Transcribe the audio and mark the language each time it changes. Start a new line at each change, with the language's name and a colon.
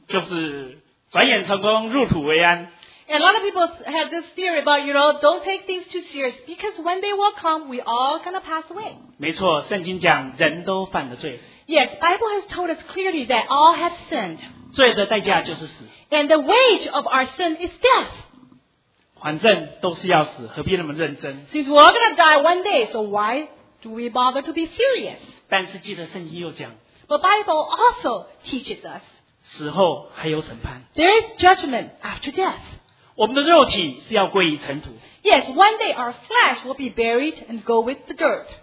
Chinese: 好像我们常说的，反正不用太认真嘛，人生反正到最后就是转眼成空，入土为安。
English: And a lot of people have this theory about, you know, don't take things too serious because when they will come, we all going to pass away.
Chinese: 没错， 圣经讲人都犯了罪。
English: Yes, Bible has told us clearly that all have sinned.
Chinese: 罪的代价就是死。
English: And the wage of our sin is death.
Chinese: 反正都是要死， 何必那么认真？
English: Since we're all going to die one day, so why do we bother to be serious?
Chinese: 但是记得圣经又讲，
English: But Bible also teaches us,
Chinese: 死后还有审判。
English: There is judgment after death.
Chinese: 我们的肉体是要归于尘土。
English: Yes, one day our flesh will be buried and go with the dirt.